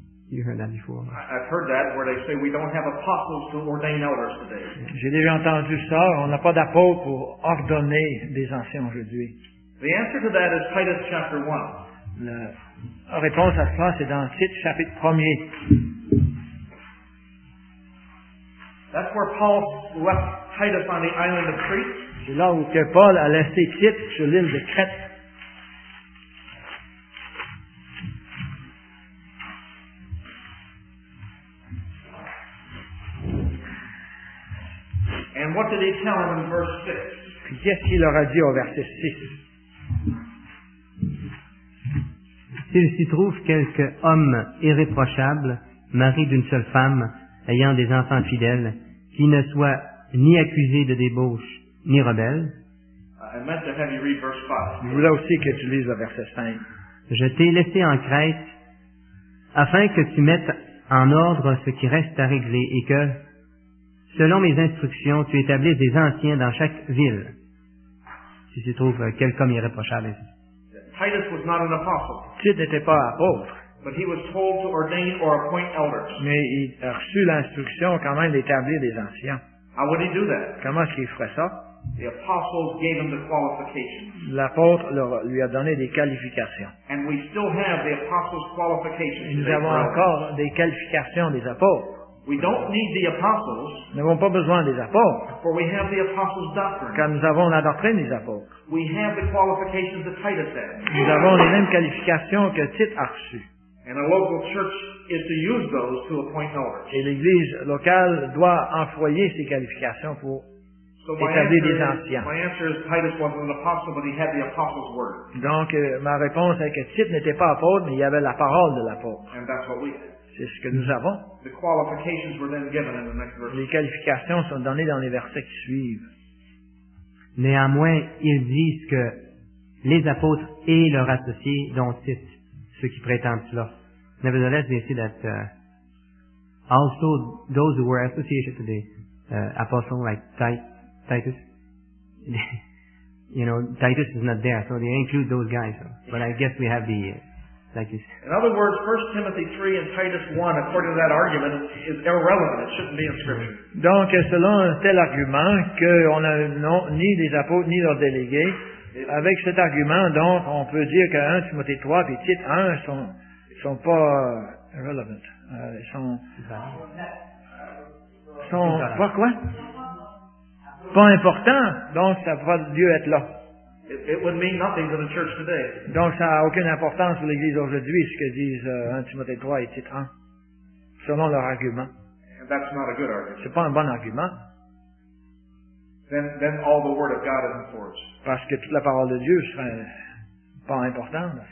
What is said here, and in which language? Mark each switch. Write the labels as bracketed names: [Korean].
[English] You heard that before. I've heard that where they say we don't have apostles to ordain elders today. [French] J'ai déjà entendu ça, on n'a pas d'apôtres pour ordonner des anciens aujourd'hui. [English] The answer to that is Titus chapter 1. [French] La réponse à cela, c'est dans Titus chapitre 1. [English] That's where Paul left Titus on the island of Crete. [French] C'est là où que Paul a laissé Tite sur l'île de Crète. [English] And what did he tell him in verse 6? [French] Puis qu'est-ce qu'il leur a dit au verset 6? S'il s'y trouve quelque homme irréprochable, mari d'une seule femme, ayant des enfants fidèles, qui ne soit ni accusé de débauche, ni rebelle. [English] I meant to have you read verse 5. [French] Je voulais aussi que tu lises le verset 5. Je t'ai laissé en Crète afin que tu mettes en ordre ce qui reste à régler et que, selon mes instructions, tu établisses des anciens dans chaque ville. Si tu trouves quelqu'un irréprochable. [English] Titus was not an apostle. [French] Tite n'était pas apôtre. [English] But he was told to ordain or appoint elders. [French] Mais il a reçu l'instruction quand même d'établir des anciens. [English] How would he do that? [French] Comment est-ce qu'il ferait ça? [English] The apostles gave him the qualifications. [French] L'apôtre lui a donné des qualifications. [English] And we still have the apostles' qualifications. [French] Et nous avons encore des qualifications des apôtres. [English] We don't need the apostles. [French] Nous n'avons pas besoin des apôtres. [English] For we have the apostles' doctrine. [French] Car nous avons la doctrine des apôtres. [English] We have the qualifications that Titus had. [French] Nous avons les mêmes qualifications que Tite a reçues. [English] And a local church is to use those to appoint elders. [French] Et l'église locale doit employer ces qualifications pour établir des anciens. [English] My answer is Titus wasn't an apostle, but he had the apostle's word. [French] Donc, ma réponse est que Tite n'était pas apôtre, mais il y avait la parole de l'apôtre. [English] And that's what we did. [French] C'est ce que nous avons. [English] The qualifications were then given in the next verse. [French] Les qualifications sont données dans les versets qui suivent. Néanmoins, ils disent que les apôtres et leurs associés, dont Tite, ceux qui prétendent cela. [English] Nevertheless, they say that also those who were associated to the apostle, like Titus, you know, Titus is not there, so they include those guys. So. But I guess we have the, like this. In other words, 1 Timothy 3 and Titus 1, according to that argument, is irrelevant. It shouldn't be in Scripture. [French] Donc, selon un tel argument, qu'on n'a ni les apôtres, ni leurs délégués, avec cet argument, donc, on peut dire que 1 Timothée 3 et Tite 1 sont pas irrelevant. Ils sont pas quoi? Pas important. Donc, ça n'a pas lieu être là. [English] It would mean nothing to the church today. [French] Donc, ça n'a aucune importance pour l'Église aujourd'hui, ce que disent 1 Timothée 3 et Tite 1, selon leur argument. [English] That's not a good argument. [French] C'est pas un bon argument. [English] Then all the word of God is enforced. [French] Parce que toute la parole de Dieu serait pas importante.